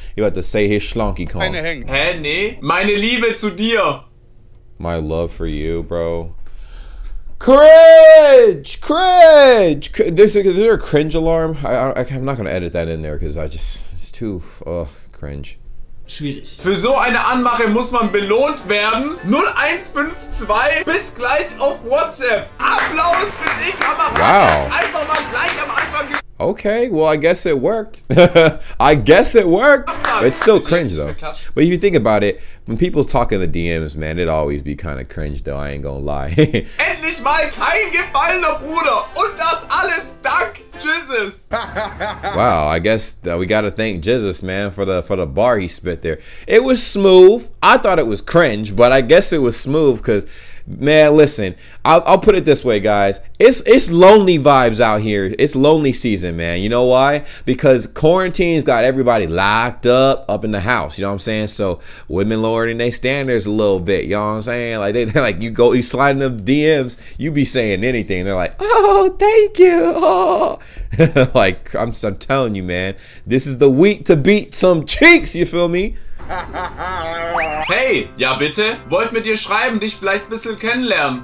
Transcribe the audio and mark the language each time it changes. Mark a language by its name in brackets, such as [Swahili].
[English] He about to say he's Schlonky Kong. [German] Hä, nee? Meine Liebe zu dir. [English] My love for you, bro. Cringe! Cringe! Is there a cringe alarm? I'm not gonna edit that in there, because I just... It's too... cringe. [German] Schwierig. Für so eine Anmache muss man belohnt werden. 0152, bis gleich auf WhatsApp. Applaus für die Kamera. [English] Wow. [German] Einfach mal gleich am Anfang. [English] Okay, well, I guess it worked. I guess it worked. It's still cringe, though. But if you think about it, when people talk in the DMs, man, it always be kind of cringe, though. I ain't gonna lie. [German] Endlich mal kein gefallener Bruder. Und das alles dank Jesus. [English] Wow, I guess that we gotta thank Jesus, man, for the bar he spit there. It was smooth. I thought it was cringe, but I guess it was smooth because... Man, listen, I'll put it this way, guys. It's lonely vibes out here. It's lonely season, man. You know why? Because quarantine's got everybody locked up in the house. You know what I'm saying? So women lowering their standards a little bit. You know what I'm saying? Like, they're like, you go, you slide in the DMs, you be saying anything. They're like, oh, thank you. Oh. Like, I'm telling you, man, this is the week to beat some cheeks, you feel me? [German] Hey, ja bitte? Wollt mit dir schreiben, dich vielleicht ein bisschen kennenlernen.